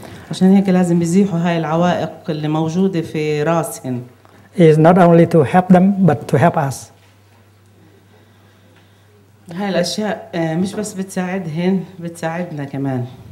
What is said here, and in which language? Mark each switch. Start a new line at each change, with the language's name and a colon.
Arabic: عشان هيك لازم يزيحوا هاي العوائق اللي موجوده في راسهم.
English: Is not only to help them but to help us.
Arabic: هاي الاشياء مش بس بتساعدهن بتساعدنا كمان.